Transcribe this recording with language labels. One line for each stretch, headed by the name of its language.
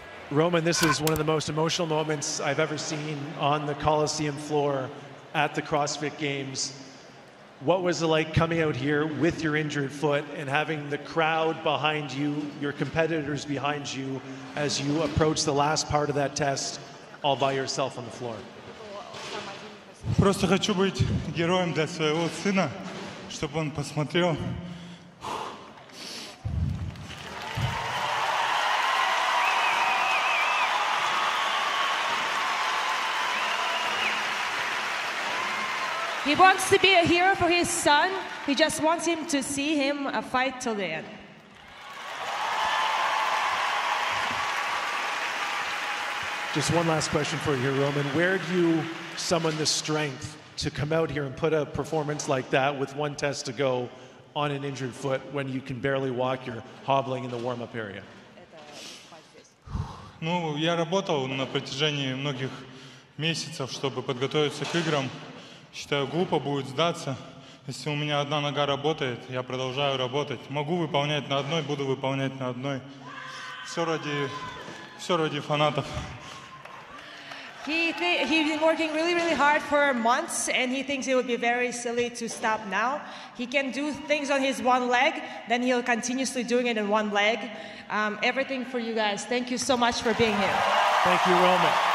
English: Roman, this is one of the most emotional moments I've ever seen on the Coliseum floor at the CrossFit Games. What was it like coming out here with your injured foot and having the crowd behind you, your competitors behind you, as you approach the last part of that test all by yourself on the floor?
Russian: Просто хочу быть героем для своего сына, чтобы он посмотрел.
English: He wants to be a hero for his son. He just wants him to see him a fight till the end. Just one last question for you, Roman. Where do you summon the strength to come out here and put a performance like that with one test to go on an injured foot when you can barely walk, you're hobbling in the warm-up area?
Russian: Ну, я работал на протяжении многих месяцев, чтобы подготовиться к играм. Считаю, глупо будет сдаться. Если у меня одна нога работает, я продолжаю работать. Могу выполнять на одной, буду выполнять на одной. Все ради фанатов.
English: He's been working really, really hard for months, and he thinks it would be very silly to stop now. He can do things on his one leg, then he'll continuously doing it in one leg. Everything for you guys. Thank you so much for being here. Thank you, Roman.